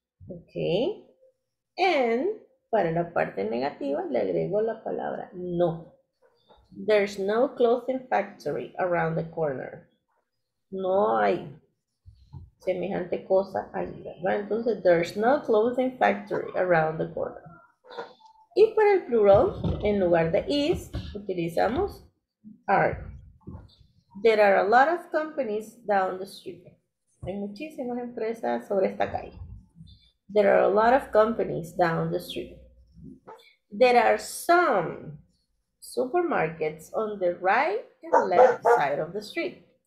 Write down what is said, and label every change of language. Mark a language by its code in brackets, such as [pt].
[es] Ok. And para la parte negativa le agrego la palabra no. [en] There's no clothing factory around the corner. [es] No hay semejante cosa ahí, ¿verdad? [en] Entonces, there's no clothing factory around the corner. [es] Y para el plural, en lugar de is, utilizamos are. [en] There are a lot of companies down the street. [es] Hay muchísimas empresas sobre esta calle. [en] There are a lot of companies down the street. There are some supermarkets on the right and left side of the street.